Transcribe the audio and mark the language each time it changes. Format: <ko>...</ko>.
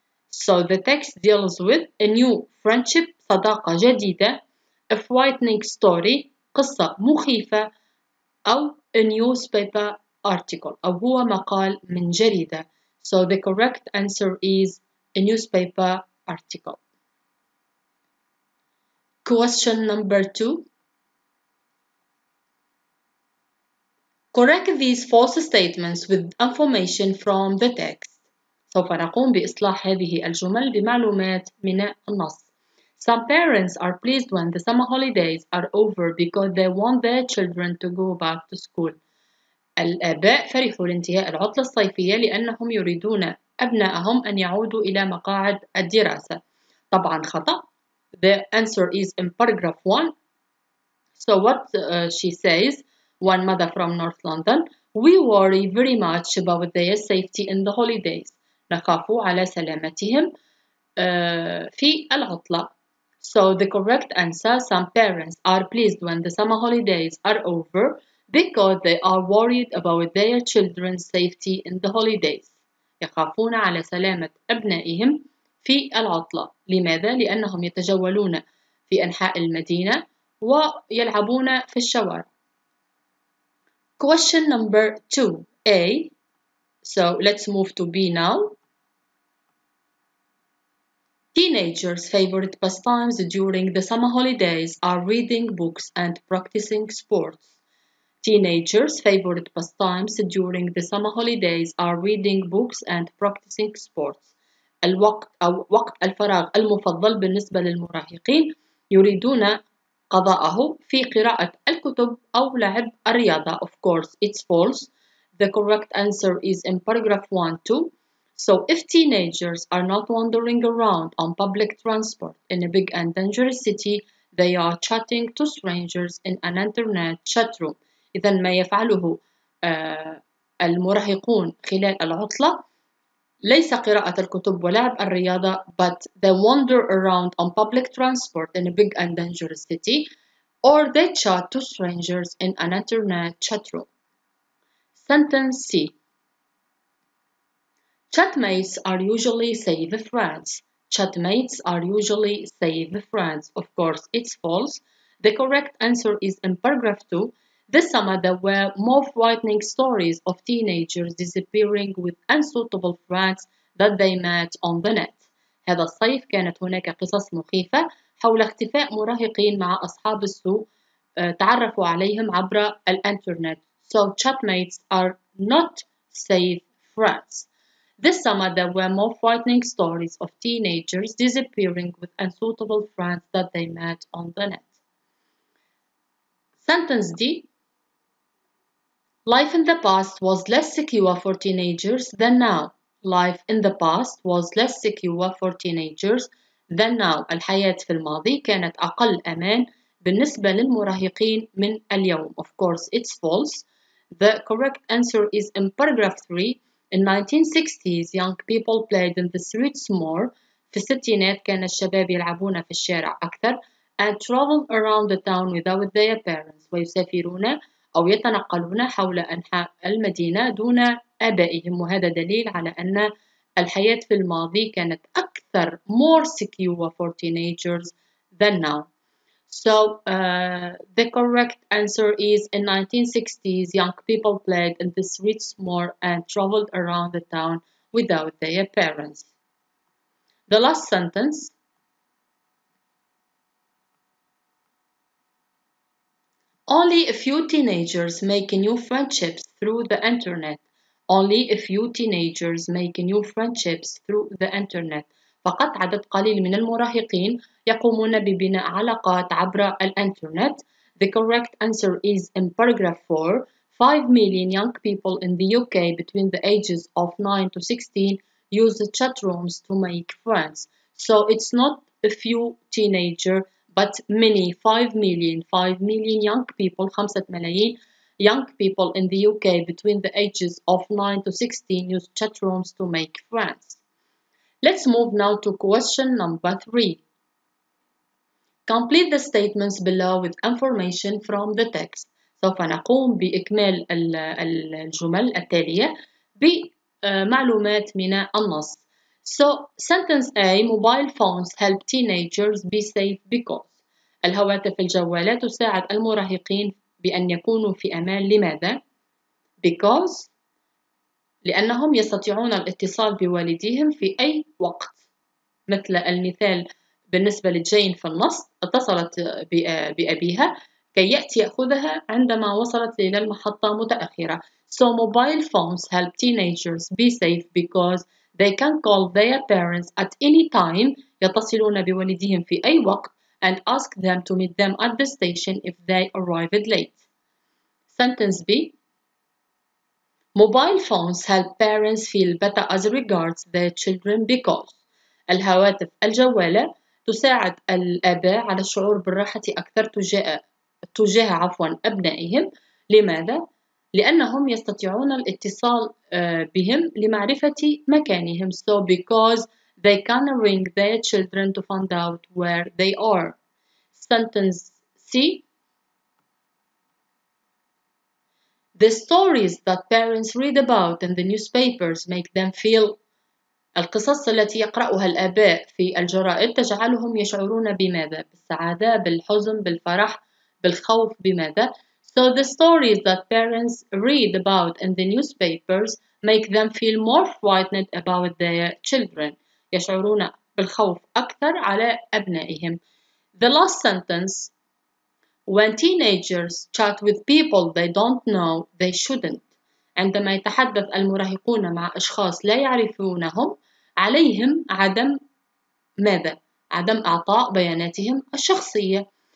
<en>So the text deals with a new friendship,</en> <ar>صداقة جديدة.</ar> <en>A frightening story,</en> <ar>قصة مخيفة. أو</ar> <en>a newspaper article.</en> <ar>Article أو هو مقال من جريدة.</ar> <en>So the correct answer is a newspaper article. Question number two. Correct these false statements with information from the text.</en> <ar>سوف نقوم بإصلاح هذه الجمل بمعلومات من النص.</ar> <en>Some parents are pleased when the summer holidays are over because they want their children to go back to school.</en> <ar>الآباء فرحوا لانتهاء العطلة الصيفية لأنهم يريدون أبناءهم أن يعودوا إلى مقاعد الدراسة. طبعاً خطأ.</ar> <en>The answer is in paragraph 1. So what she says, one mother from North London, we worry very much about their safety in the holidays.</en> <ar>نخاف على سلامتهم في العطلة.</ar> <en>So the correct answer, some parents are pleased when the summer holidays are over. Because they are worried about their children's safety in the holidays.</en> <ar>يخافون على سلامة أبنائهم في العطلة. لماذا؟ لأنهم يتجولون في أنحاء المدينة ويلعبون في الشوارع.</ar> <en>Question number two. A. So let's move to B now. Teenagers' favorite pastimes during the summer holidays are reading books and practicing sports. Teenagers' favorite pastimes during the summer holidays are reading books and practicing sports.</en> <ar>الوقت أو وقت الفراغ المفضل بالنسبة للمراهقين يريدون قضاءه في قراءة الكتب أو لعب الرياضة.</ar> <en>Of course, it's false. The correct answer is in paragraph 1-2. So if teenagers are not wandering around on public transport in a big and dangerous city, they are chatting to strangers in an internet chat room.</en> <ar>إذن ما يفعله المراهقون خلال العطلة ليس قراءة الكتب ولعب الرياضة,</ar> <en>but they wander around on public transport in a big and dangerous city, or they chat to strangers in an internet chat room. Sentence C. Chatmates are usually safe friends. Chatmates are usually safe friends. Of course, it's false. The correct answer is in paragraph 2. This summer, there were more frightening stories of teenagers disappearing with unsuitable friends that they met on the net.</en> <ar>هذا الصيف كانت هناك قصص مخيفة حول اختفاء مراهقين مع أصحاب السوء تعرفوا عليهم عبر الإنترنت.</ar> <en>So chatmates are not safe friends. This summer, there were more frightening stories of teenagers disappearing with unsuitable friends that they met on the net. Sentence D. Life in the past was less secure for teenagers than now. Life in the past was less secure for teenagers than now.</en> <ar>الحياة في الماضي كانت أقل أمان بالنسبة للمراهقين من اليوم.</ar> <en>Of course, it's false. The correct answer is in paragraph 3. In 1960s, young people played in the streets more.</en> <ar>في الستينات كان الشباب يلعبون في الشارع أكثر.</ar> <en>And traveled around the town without their parents.</en> <ar>ويسافرون أو يتنقلون حول أنحاء المدينة دون آبائهم. وهذا دليل على أن الحياة في الماضي كانت أكثر</ar> <en>more secure for teenagers than now. So the correct answer is in 1960s, young people played in the streets more and traveled around the town without their parents. The last sentence. Only a few teenagers make new friendships through the internet. Only a few teenagers make new friendships through the internet.</en> <ar>فقط عدد قليل من المراهقين يقومون ببناء علاقات عبر الانترنت.</ar> <en>The correct answer is in paragraph 4. 5 million young people in the UK between the ages of 9 to 16 use the chat rooms to make friends. So it's not a few teenagers. But many, 5 million young people, 5 ملايين young people in the UK between the ages of 9 to 16 use chat rooms to make friends. Let's move now to question number 3. Complete the statements below with information from the text.</en> <ar>سوف نقوم بإكمال الجمل التالية بمعلومات من النص.</ar> <en>So, sentence A, mobile phones help teenagers be safe because.</en> <ar>الهواتف الجوالات تساعد المراهقين بأن يكونوا في أمان. لماذا؟ Because لأنهم يستطيعون الاتصال بوالديهم في أي وقت. مثل المثال بالنسبة لجين في النص, اتصلت بأبيها كي يأتي يأخذها عندما وصلت إلى المحطة متأخرة.</ar> <en>So mobile phones help teenagers be safe because they can call their parents at any time.</en> <ar>يتصلون بوالديهم في أي وقت.</ar> <en>And ask them to meet them at the station if they arrived late. Sentence B. Mobile phones help parents feel better as regards their children because.</en> <ar>الهواتف الجوالة تساعد الآباء على الشعور بالراحة أكثر تجاه أبنائهم. لماذا؟ لأنهم يستطيعون الاتصال بهم لمعرفة مكانهم.</ar> <en>So because they can ring their children to find out where they are. Sentence C. The stories that parents read about in the newspapers make them feel.</en> <ar>القصص التي يقرأها الآباء في الجرائد تجعلهم يشعرون بماذا؟ بالسعادة, بالحزن, بالفرح, بالخوف, بماذا؟</ar> <en>So the stories that parents read about in the newspapers make them feel more frightened about their children.</en> <ar>يشعرون بالخوف أكثر على أبنائهم.</ar> <en>The last sentence: When teenagers chat with people they don't know, they shouldn't.</en> <ar>عندما يتحدث المراهقون مع أشخاص لا يعرفونهم، عليهم عدم ماذا؟ عدم إعطاء بياناتهم الشخصية.</ar>